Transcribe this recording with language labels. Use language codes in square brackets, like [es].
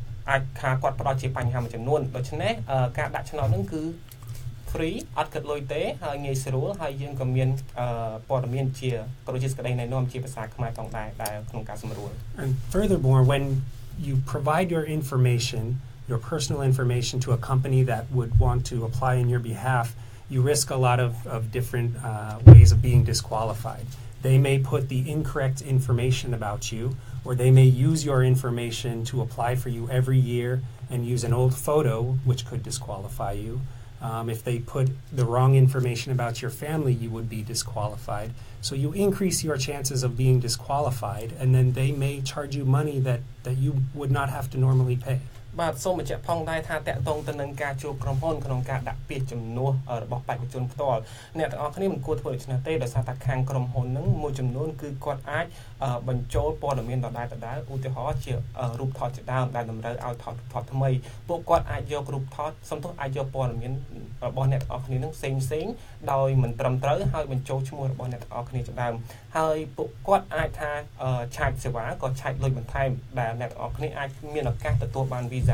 [km] អាចថាគាត់ផ្ដល់ជាបញ្ហាមួយចំនួនដូច្នេះការដាក់ឆ្នោតនឹងគឺ free អត់គិតលុយទេហើយងាយស្រួលហើយយើងក៏មានព័ត៌មានជាក្រុមជាសក្តីណែនាំជាភាសាខ្មែរផងដែរដែលក្នុងការសម្រួល [en] And furthermore when you provide your information your personal information to a company that would want to apply in your behalf you risk a lot of different ways of being disqualified they may put the incorrect information about youOr they may use your information to apply for you every year and use an old photo, which could disqualify you. If they put the wrong information about your family, you would be disqualified. So you increase your chances of being disqualified, and then they may charge you money that you would not have to normally pay. [km] បាទសូមបញ្ជាក់ផងដែរថាតកតងទៅនឹងការជួបក្រុមហ៊ុនក្នុងការដាក់ពាក្យជំនួសរបស់បេក្ខជនផ្ទាល់អ្នកទាំងអស់គ្នាមិនគួរធ្វើដូច្នេះទេដោយសារតែខាងក្រុមហ៊ុននឹងមួយចំនួនគឺគាត់អាច បញ្ចូលព័ត៌មានដដែលដដែលឧទាហរណ៍ជារូបថតជាដើមដែលតម្រូវឲ្យថតថតថ្មីពួកគាត់អាចយករូបថតសំទោសអាចយកព័ត៌មានរបស់អ្នកទាំងអស់គ្នានឹងផ្សេងដោយមិនត្រឹមត្រូវហើយបញ្ចូលឈ្មោះរបស់អ្នកទាំងអស់គ្នាជាដើមហើយពួកគាត់អាចថាឆែកសេវាក៏ឆែកលុយបន្ថែមដែលអ្នកទាំងអស់គ្នាអាចមានឱកាសទទួលបាន